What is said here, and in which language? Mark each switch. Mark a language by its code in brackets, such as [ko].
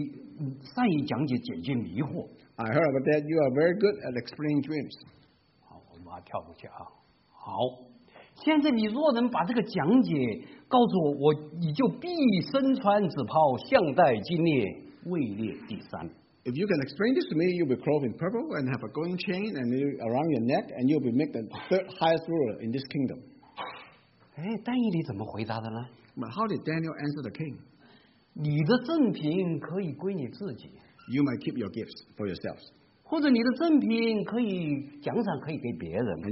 [zh] 但你这个王就说，听说你善于讲解解决迷惑。 [en] I heard about that you are very good at explaining dreams. [zh] 好，我把它跳过去啊。好，现在你若能把这个讲解告诉我，我你就必身穿紫袍，项带金链，位列第三。 [en] If you can explain this to me, you'll be clothed in purple and have a golden chain and around your neck, and you'll be made the third highest ruler in this kingdom. [zh] 哎，但以理怎么回答的呢？ [en] But how did Daniel answer the king? [zh] 你的赠品可以归你自己。 [en] You might keep your gifts for yourselves. [zh] 或者你的赠品可以奖赏可以给别人。 [en] And